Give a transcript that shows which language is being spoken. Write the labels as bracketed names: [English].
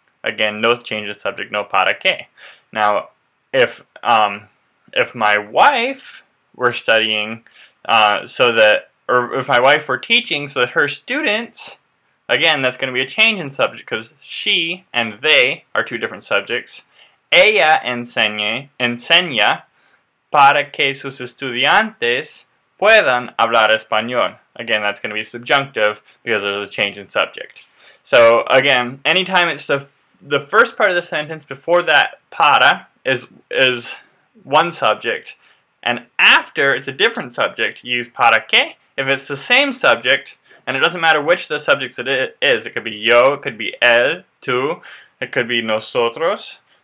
[English] Again, no change of subject, no para qué. Now, if my wife were studying if my wife were teaching so that her students, again, that's going to be a change in subject because she and they are two different subjects. [Spanish] Ella enseña para que sus estudiantes puedan hablar español. [English] Again, that's going to be subjunctive because there's a change in subject. So, again, anytime it's the first part of the sentence before that para is one subject, and after it's a different subject, you use para que. If it's the same subject, and it doesn't matter which of the subjects it is, it could be yo, it could be él, tú, it could be nosotros.